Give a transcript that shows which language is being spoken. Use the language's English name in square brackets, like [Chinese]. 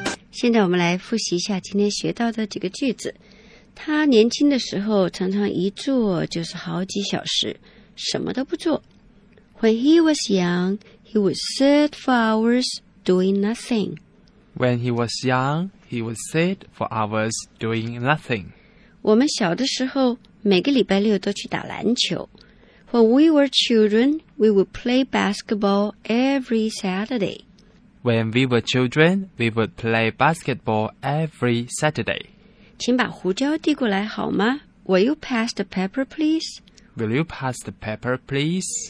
[Chinese] 现在我们来复习一下今天学到的几个句子。他年轻的时候常常一坐就是好几小时，什么都不做。 [English] When he was young, he would sit for hours doing nothing. When he was young, he would sit for hours doing nothing. [Chinese] 我们小的时候每个礼拜六都去打篮球。 [English] When we were children, we would play basketball every Saturday. When we were children, we would play basketball every Saturday. [Chinese] 请把胡椒递过来好吗 ？ [English] Will you pass the pepper, please? Will you pass the pepper, please?